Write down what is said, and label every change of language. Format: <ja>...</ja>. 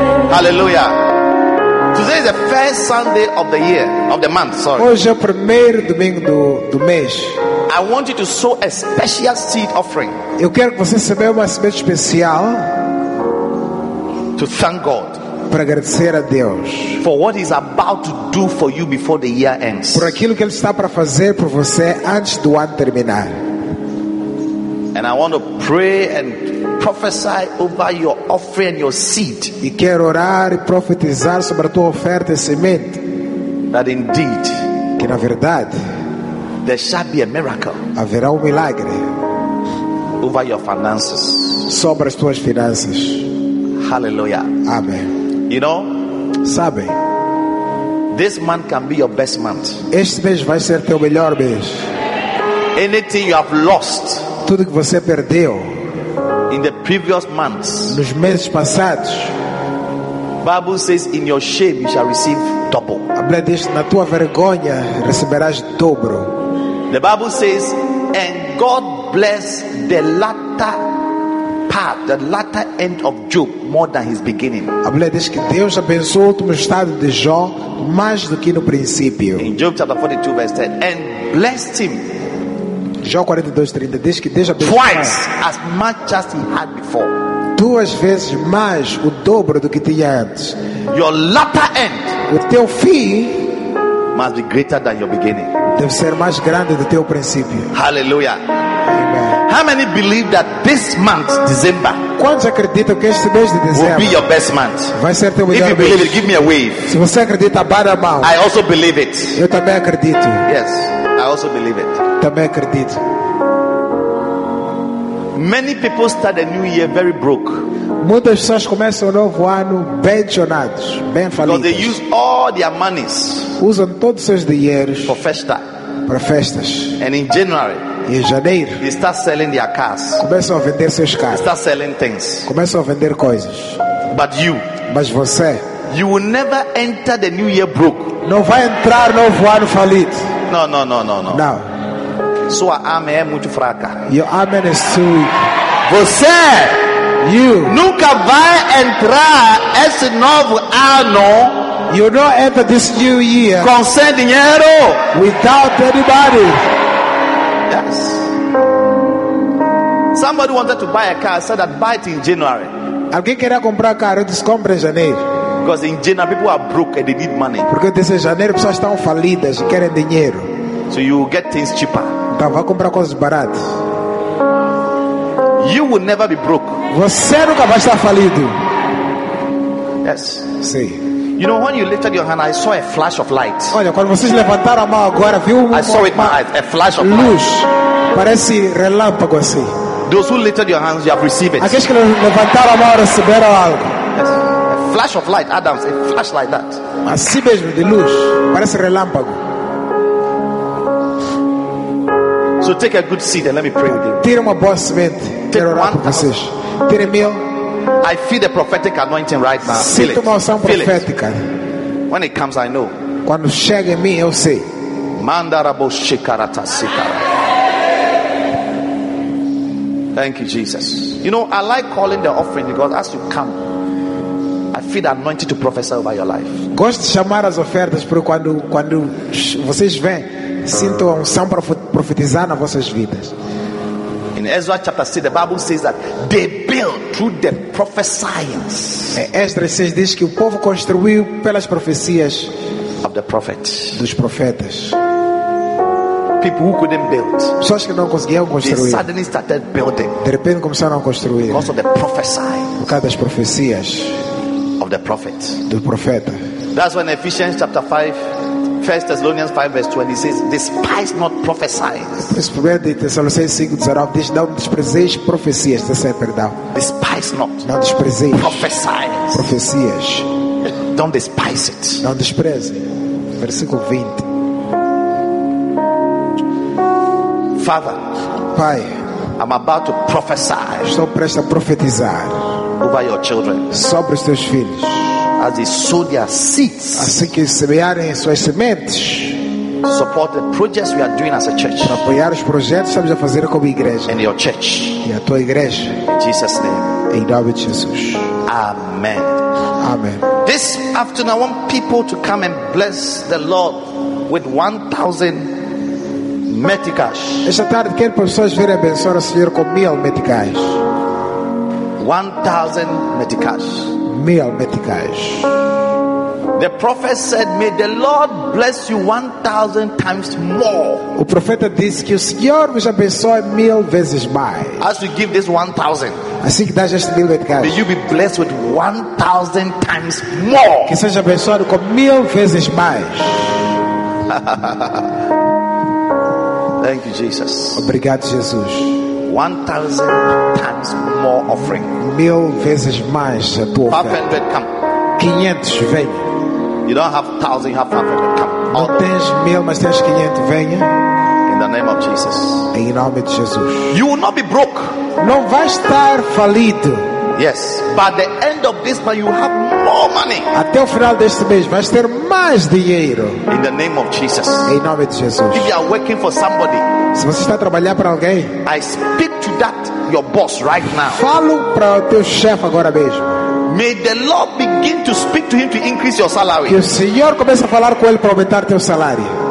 <en>the first Sunday of the year, of the month, sorry.</en> <pt>Hoje é o primeiro domingo do mês.</pt> <en>I want you to sow a special seed offering.</en> <pt>Eu quero que você semeie uma semente especial.</pt> <en>To thank God.</en> <pt>Para agradecer a Deus.</pt> <en>For what he's about to do for you before the year ends.</en> <pt>Por aquilo que ele está para fazer por você antes do ano terminar.</pt> <en>And I want to pray and prophesy over your offering and your seed.</en> <pt>E quero orar e profetizar sobre a tua oferta e semente.</pt> <en>That indeed,</en> <pt>que na verdade,</pt> <en>there shall be a miracle.</en> <pt>Haverá um milagre.</pt> <en>Over your finances.</en> <pt>Sobre as tuas finanças.</pt> <en>Hallelujah.</en> <pt>Amém.</pt> <en>You know?</en> <pt>Sabe?</pt> <en>This month can be your best month.</en> <pt>Este mês vai ser teu melhor mês.</pt> <en>Anything you have lost.</en> <pt>Tudo que você perdeu.</pt> <en>In the previous months.</en> <pt>Nos meses passados.</pt> <en>Bible says in your shame you shall receive double.</en> <pt>A Bíblia diz, na tua vergonha receberás dobro.</pt> <en>The Bible says, and God bless the latter part, the latter end of Job, more than his beginning.</en> <pt>A Bíblia diz que Deus abençoou o último estado de Jó mais do que no princípio.</pt> <en>In Job chapter 42 verse 10, and blessed him.</en> <pt>Jó 42:30 diz que Deus abençoou.</pt> <en>Twice as much as he had before.</en> <pt>Duas vezes mais o dobro do que tinha antes.</pt> <en>Your latter end.</en> <pt>O teu fim.</pt> <en>Must be greater than your beginning.</en> <pt>Deve ser mais grande do teu princípio.</pt> <en>Hallelujah.</en> <pt>Amen.</pt> <en>How many believe that this month, December?</en> <pt>Quantos acreditam que este mês de dezembro</pt> <en>will be your best month?</en> <pt>Vai ser teu melhor</pt> <en>mês. If you believe it, give me a wave.</en> <pt>Se você acredita, bada a mão.</pt> <en>I also believe it.</en> <pt>Eu também acredito.</pt> <en>Yes, I also believe it.</en> <pt>Também acredito.</pt> <en>Many people start a new year very broke.</en> <pt>Muitas pessoas começam o novo ano bem chonados, bem falidos.</pt> <en>They use all their monies.</en> <pt>Usam todos os seus dinheiros</pt> <en>for festa.</en> <pt>Para festas.</pt> <en>And in January,</en> <pt>e em janeiro,</pt> <en>they start selling their cars.</en> <pt>Começam a vender seus carros.</pt> <en>Start selling things.</en> <pt>Começam a vender coisas.</pt> <en>But you,</en> <pt>mas você,</pt> <en>you will never enter the new year broke.</en> <pt>Não vai entrar no novo ano falido.</pt> <en>No, no, no, no, no.</en> <pt>Não. Sua alma é muito fraca.</pt> <en>Your alma is too weak.</en> <pt>Você,</pt> <en>you,</en> <pt>nunca vai entrar esse novo ano.</pt> <en>You don't enter this new year</en> <pt>com sem dinheiro.</pt> <en>Without anybody. Yes. Somebody wanted to buy a car. Said that buy it in January.</en> <pt>Alguém queria comprar carro. Eu disse compre em janeiro.</pt> <en>Because in January people are broke and they need money.</en> <pt>Porque desde janeiro pessoas estão falidas e querem dinheiro.</pt> <en>So you get things cheaper.</en> <pt>Então vai comprar coisas baratas.</pt> <en>You will never be broke.</en> <pt>Você nunca vai estar falido.</pt> <en>Yes.</en> <pt>Sim.</pt> <en>You know when you lifted your hand, I saw a flash of light.</en> <pt>Olha, quando vocês levantaram a mão agora, viu</pt> <en>I saw it my eyes, a flash of</en> <pt>luz.</pt> <en>Light.</en> <pt>Parece relâmpago assim.</pt> <en>Those who lifted your hands, you have received it.</en> <pt>Aqueles que levantaram a mão receberam algo.</pt> <en>Yes. A flash of light, Adams, a flash like that.</en> <pt>Assim mesmo, de luz. Parece relâmpago.</pt> <en>So take a good seat and let me pray with you.</en> <pt>Tire uma boa semente. Quero orar por vocês. Tire 1,000.</pt> <en>I feel the prophetic anointing right now. Feel it. Feel profética. It. When it comes, I know.</en> <pt>Quando chega em mim, eu sei. Mandarabo shikarata sikara.</pt> <en>Thank you, Jesus. You know, I like calling the offering because as you come, I feel the anointing to prophesy over your life.</en> <pt>Gosto de chamar as ofertas porque quando vocês vêm, sinto a unção para profetizar nas vossas vidas.</pt> <en>In Ezra chapter 6, the Bible says that they built through the prophesying.</en> <pt>Ezra 6 diz que o povo construiu pelas profecias</pt> <en>of the prophets.</en> <pt>Dos profetas.</pt> <en>People who couldn't build.</en> <pt>Pessoas que não conseguiam construir.</pt> <en>They suddenly started building.</en> <pt>De repente começaram a construir.</pt> <en>Because of the prophesying.</en> <pt>Por causa das profecias.</pt> <en>Of the prophet.</en> <pt>Do profeta.</pt> <en>That's when Ephesians chapter 5. 1 Thessalonians 5 verse 20 says, despise not prophesying. 1 Thessalonians 5 verse 20 says,</en> <pt>não desprezeis profecias.</pt> <en>Despise not.</en> <pt>Não desprezeis.</pt> <en>Prophesy.</en> <pt>Profecias.</pt> <en>Don't despise it.</en> <pt>Não despreze. Versículo 20.</pt> <en>Father.</en> <pt>Pai.</pt> <en>I'm about to prophesy.</en> <pt>Estou prestes a profetizar.</pt> <en>Over your children.</en> <pt>Sobre os teus filhos.</pt> <en>As they sow their seeds,</en> <pt>assim que semearem suas sementes,</pt> <en>support the projects we are doing as a church.</en> <pt>Para apoiar os projetos que estamos a fazer como igreja.</pt> <en>And your church.</en> <pt>E a tua igreja.</pt> <en>In Jesus' name.</en> <pt>Em nome de Jesus.</pt> <en>Amen.</en> <pt>Amen.</pt> <en>This afternoon, I want people to come and bless the Lord with 1,000 meticais.</en> <pt>Esta tarde quero pessoas virem abençoar o Senhor com 1,000 meticais.</pt> <en>1,000 meticais.</en> <pt>1,000 meticais.</pt> <en>The prophet said, "May the Lord bless you 1,000 times more."</en> <pt>O profeta disse que o Senhor vos abençoe 1,000 vezes mais.</pt> <en>As you give this 1,000,</en> <pt>assim que dá este 1,000 meticais,</pt> <en>may you be blessed with 1,000 times more.</en> <pt>Que seja abençoado com 1,000 vezes mais.</pt> <en>Thank you, Jesus.</en> <pt>Obrigado, Jesus.</pt> <en>1,000 times more offering.</en> <pt>1,000 vezes mais a tua oferta.</pt> <en>500, come.</en> <pt>500, vem.</pt> <en>You don't have 1,000, you have 500, come.</en> <pt>Não tens 1,000, mas tens 500, venha.</pt> <en>In the name of Jesus.</en> <pt>Em nome de Jesus.</pt> <en>You will not be broke.</en> <pt>Não vais estar falido.</pt> <en>Yes, but the end of this month you have more money.</en> <pt>Até o final deste mês vais ter mais dinheiro.</pt> <en>In the name of Jesus.</en> <pt>Em nome de Jesus.</pt> <en>If you are working for somebody,</en> <pt>se você está a trabalhar para alguém,</pt> <en>I speak to that your boss right now.</en> <pt>Falo para o teu chefe agora mesmo.</pt> <en>May the Lord begin to speak to him to increase your salary.</en> <pt>Que o Senhor comece a falar com ele para aumentar teu salário.</pt>